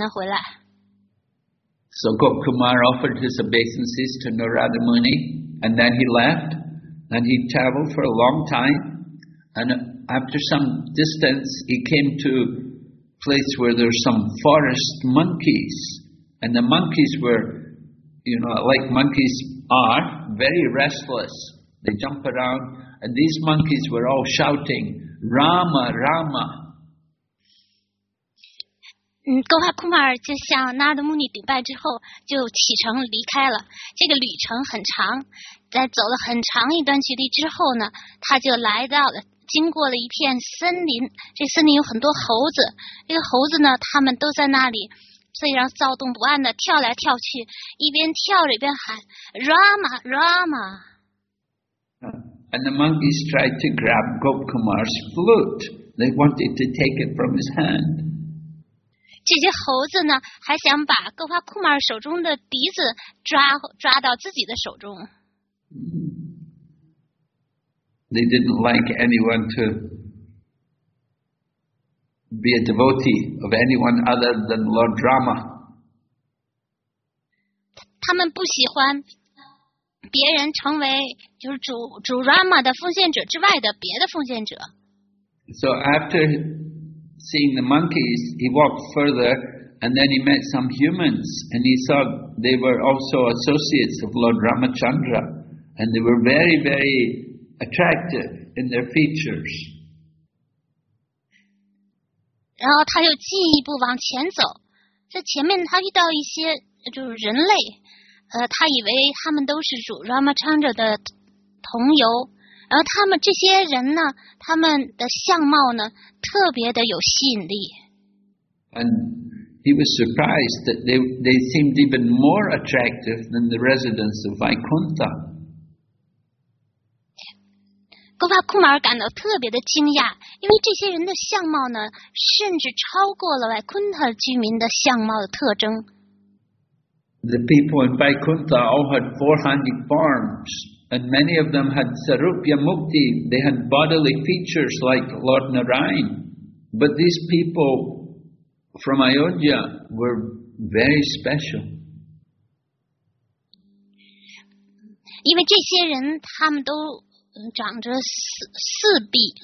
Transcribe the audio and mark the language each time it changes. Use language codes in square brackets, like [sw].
[zh] 你不需要得到他的允许，因为他已经离开这里去拜访另外一个地方，要很久才能回来。So [en] Gop Kumar offered his obeisances to Narada Muni, and then he left, and he traveled for a long time, and after some distance, he came to a place where there were some forest monkeys, and the monkeys were, you know, like monkeys are, very restless. They jump around. And these monkeys were all shouting, Rama, Rama. [zh] Gopa Kumar 就向Narada Muni顶拜之后，就启程离开了。这个旅程很长，在走了很长一段距离之后呢，他就来到了经过了一片森林，这森林有很多猴子，这个猴子呢，他们都在那里非常躁动不安的跳来跳去，一边跳着一边喊 Rama Rama。 [en] And the monkeys tried to grab Gop Kumar's flute. They wanted to take it from his hand. [zh] 这些猴子呢，还想把格瓦库玛手中的笛子抓到自己的手中。 [en] They didn't like anyone to be a devotee of anyone other than Lord Rama. [zh] 他们不喜欢别人成为就是主 Rama 的奉献者之外的别的奉献者。 [en] So after seeing the monkeys, he walked further, and then he met some humans, and he saw they were also associates of Lord Ramachandra, and they were very, very attractive in their features. [zh] 然后他就进一步往前走，在前面他遇到一些就是人类。他以为他们都是主 Ramachandra 的同游，而他们这些人呢，他们的相貌呢，特别的有吸引力。 [en] And he was surprised that they seemed even more attractive than the residents of Vaikuntha. [zh] Gopa Kumar 感到特别的惊讶，因为这些人的相貌呢，甚至超过了 Vaikuntha 居民的相貌的特征。 [en] The people in Vaikuntha all had four-handed forms, and many of them had Sarupya Mukti. They had bodily features like Lord Narayan. But these people from Ayodhya were very special. [zh] 因为这些人他们都长着四臂。